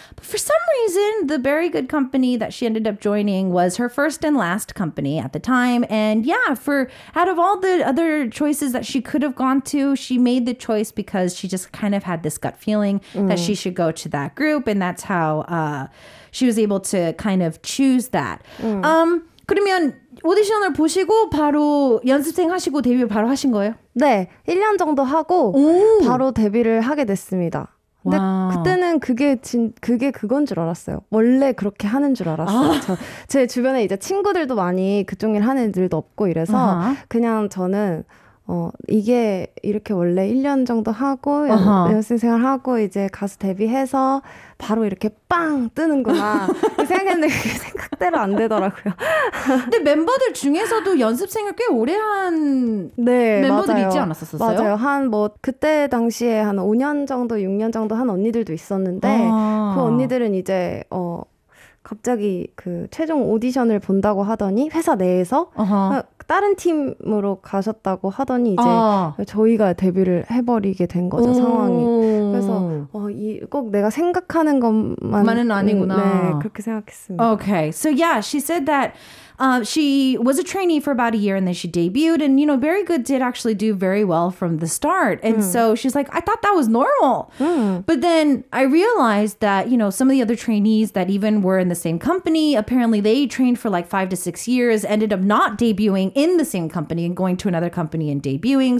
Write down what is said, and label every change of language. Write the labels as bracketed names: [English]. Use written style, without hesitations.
[English] But for some reason, the Barry Good company that she ended up joining was her first and last company at the time. And yeah, for out of all the other choices that she could have gone to, she made the choice because she just kind of had this gut feeling that she should go to that group. And that's how she was able to kind of choose that. [Korean] 그러면 오디션을 보시고 바로 연습생 하시고 데뷔를 바로 하신 거예요? 네. 1년 정도 하고 바로 데뷔를 하게 됐습니다. 근데 와우. 그때는 그게 그건 줄 알았어요. 원래 그렇게 하는 줄 알았어요. 제 주변에 이제 친구들도 많이 그쪽 일 하는 애들도 없고 이래서 그냥 저는 이게 이렇게 원래 1년 정도 하고 연습생을 하고 이제 가수 데뷔해서 바로 이렇게 빵 뜨는구나 생각했는데 그게 생각대로 안 되더라고요. 근데 멤버들 중에서도 연습생을 꽤 오래 한 네, 멤버들 맞아요. 있지 않았었어요? 맞아요. 한 뭐 그때 당시에 한 5년 정도, 6년 정도 한 언니들도 있었는데 그 언니들은 이제 갑자기 그 최종 오디션을 본다고 하더니 회사 내에서 다른 팀으로 가셨다고 하더니 이제 저희가 데뷔를 해버리게 된 거죠, 상황이. 그래서 꼭 내가 생각하는 것만은 아니구나. 네, 그렇게 생각했습니다. [English] Okay, so yeah, she said that she was a trainee for about a year and then she debuted. And, you know, Barry Good did actually do very well from the start. And so she's like, I thought that was normal. But then I realized that, you know, some of the other trainees that even were in the same company, apparently they trained for like 5 to 6 years, ended up not debuting in the same company and going to another company and debuting.